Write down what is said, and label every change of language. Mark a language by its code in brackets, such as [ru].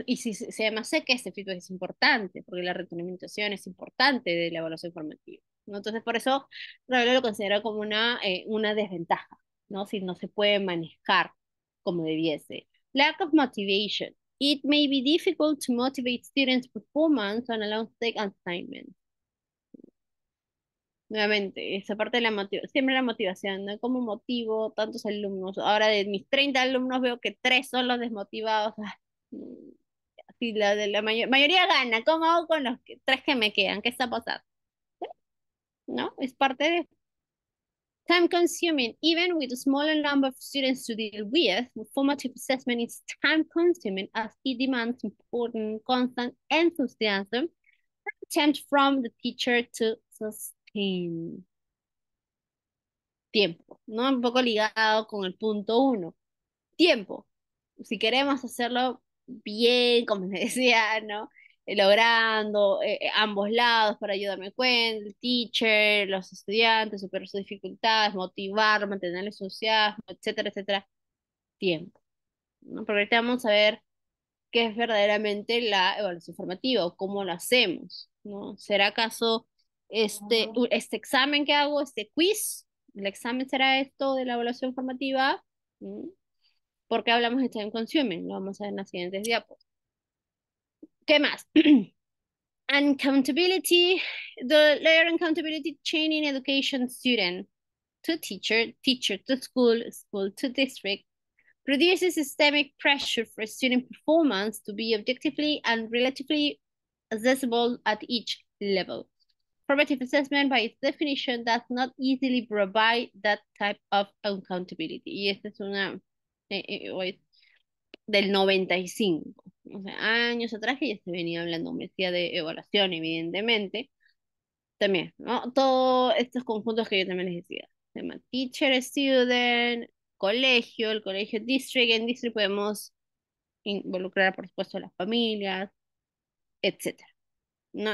[es] Y si además sé que este feedback es importante, porque la retroalimentación es importante de la evaluación formativa, ¿no? Entonces, por eso lo considero como una desventaja, ¿no? Si no se puede manejar como debiese. [en] Lack of motivation. It may be difficult to motivate students' performance on a long-term assignment. [es] Nuevamente, esa parte de la motivación, siempre la motivación, ¿no? ¿Cómo motivo tantos alumnos? Ahora de mis 30 alumnos veo que 3 son los desmotivados. Si la de la mayoría gana, ¿cómo hago con los 3 que me quedan? ¿Qué está pasando? ¿No? Es parte de... [en] Time consuming, even with a smaller number of students to deal with, formative assessment is time consuming as it demands important, constant enthusiasm and attempt from the teacher to sustain. [es] Tiempo, ¿no? Un poco ligado con el punto uno. Tiempo. Si queremos hacerlo bien, como les decía, ¿no? Logrando ambos lados para ayudarme cuenta, el teacher, los estudiantes, superar sus dificultades, motivar, mantener el entusiasmo, etcétera, etcétera. Tiempo, ¿no? Porque ahorita vamos a ver qué es verdaderamente la evaluación formativa, cómo lo hacemos, ¿no? ¿Será acaso este examen que hago, este quiz, el examen será esto de la evaluación formativa? ¿Por qué hablamos de [en] time consuming? [es] Lo vamos a ver en las siguientes diapositivas. ¿Qué más? [en] Accountability, the layer accountability chain in education, student to teacher, teacher to school, school to district, produces systemic pressure for student performance to be objectively and relatively accessible at each level. Formative assessment, by its definition, does not easily provide that type of accountability. [es] Y esta es una del 95. O sea, años atrás que ya se venía hablando, me decía de evaluación, evidentemente. También, ¿no? Todos estos conjuntos que yo también les decía. Tema teacher, student, colegio, el colegio district. En district podemos involucrar, por supuesto, a las familias, etcétera, ¿no?